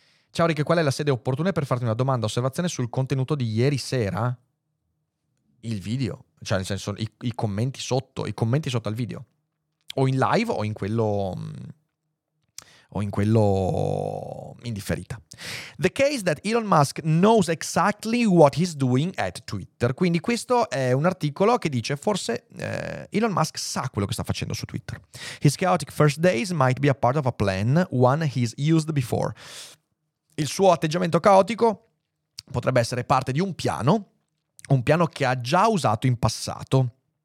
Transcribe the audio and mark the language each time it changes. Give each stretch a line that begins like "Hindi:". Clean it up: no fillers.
Italian: Ciao Rick, qual è la sede opportuna per farti una domanda, osservazione sul contenuto di ieri sera? il video, cioè nel senso i commenti sotto al video, o in live o in quello indifferita.
English: The case that Elon Musk knows exactly what he's doing at Twitter.
Italian: Quindi questo è un articolo che dice forse Elon Musk sa quello che sta facendo su Twitter.
English: His chaotic first days might be a part of a plan, one he's used before.
Italian: Il suo atteggiamento caotico potrebbe essere parte di un piano che ha già usato in passato.